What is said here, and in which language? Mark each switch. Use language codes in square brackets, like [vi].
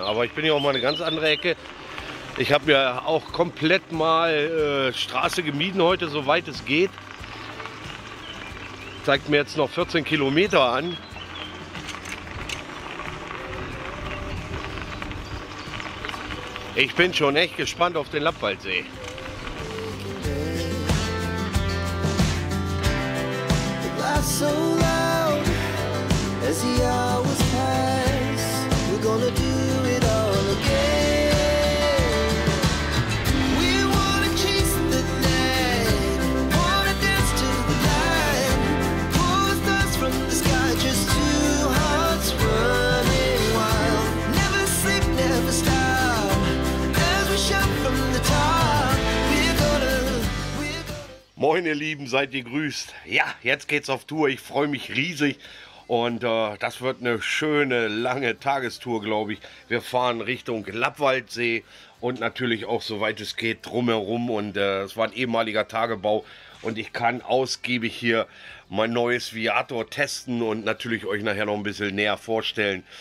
[de] Aber ich bin hier auch mal eine ganz andere Ecke. Ich habe mir auch komplett mal Straße gemieden heute, soweit es geht. Zeigt mir jetzt noch 14 Kilometer an. Ich bin schon echt gespannt auf den Lappwaldsee. [en] So loud as the hours pass, we're gonna do it all again. We wanna chase the night, wanna dance to the light. Pull the stars from the sky, just two hearts running wild. Never sleep, never stop, as we shout from the top. We're gonna [de] Moin ihr Lieben, seid ihr grüßt. Ja, jetzt geht's auf Tour. Ich freue mich riesig und das wird eine schöne, lange Tagestour, glaube ich. Wir fahren Richtung Lappwaldsee und natürlich auch, soweit es geht, drumherum. Und es war ein ehemaliger Tagebau und ich kann ausgiebig hier mein neues Viator testen und natürlich euch nachher noch ein bisschen näher vorstellen.